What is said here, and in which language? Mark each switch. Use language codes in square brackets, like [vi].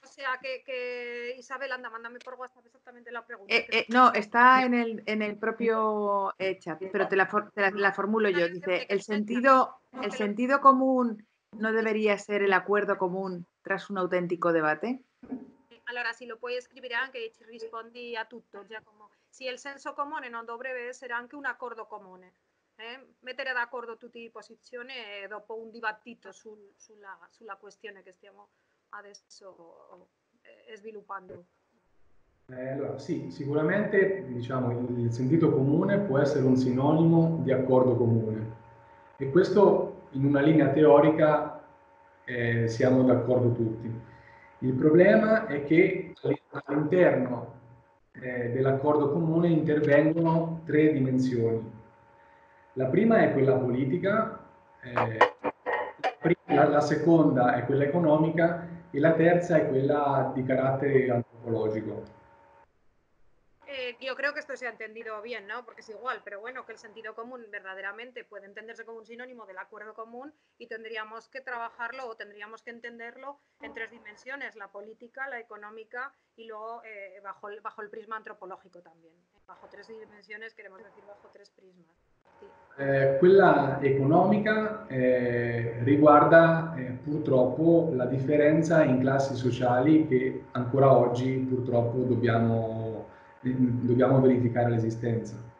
[es] O sea, que Isabel, anda, mándame por WhatsApp exactamente la pregunta. No, está en el propio chat, pero te la formulo yo. Dice, ¿el sentido común no debería ser el acuerdo común tras un auténtico debate? [it] Allora, si lo puoi scrivere anche, ci rispondi a tutto. Già, come, si il senso comune non dovrebbe essere anche un accordo comune. mettere d'accordo tutti le posizioni dopo un dibattito sulla questione che stiamo adesso sviluppando. Allora, sì, sicuramente diciamo, il sentito comune può essere un sinonimo di accordo comune. E questo in una linea teorica siamo d'accordo tutti. Il problema è che all'interno dell'accordo comune intervengono tre dimensioni. La prima è quella politica, la seconda è quella economica e la terza è quella di carattere antropologico. [es] Yo creo que esto se ha entendido bien, ¿no? Porque es igual, pero bueno, que el sentido común verdaderamente puede entenderse como un sinónimo del acuerdo común y tendríamos que trabajarlo o tendríamos que entenderlo en tres dimensiones, la política, la económica y luego bajo el prisma antropológico también. Bajo tres dimensiones, queremos decir bajo tres prismas. Sí. [it] Quella economica riguarda purtroppo la differenza in classi sociali che ancora oggi purtroppo dobbiamo verificare l'esistenza.